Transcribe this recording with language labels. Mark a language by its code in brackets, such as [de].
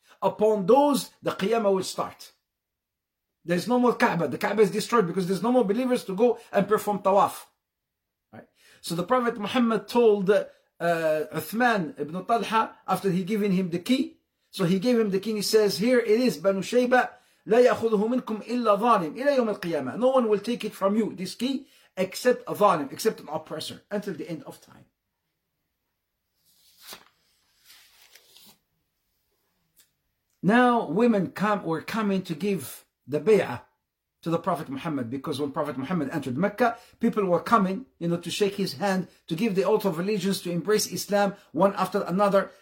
[en] Upon those, the Qiyamah will start. There's no more Kaaba. The Kaaba is destroyed because there's no more believers to go and perform tawaf. Right? So the Prophet Muhammad told Uthman ibn Talha after he given him the key. So he gave him the key. He says, here it is, Banu Shayba. [ar] لا يأخذه منكم إلا ظالم إلى يوم القيامة. [en] No one will take it from you, this key, except a ظالم, except an oppressor, until the end of time. Now women were coming to give the bay'ah to the Prophet Muhammad, because when Prophet Muhammad entered Mecca, people were coming, you know, to shake his hand, to give the oath of allegiance, to embrace Islam one after another.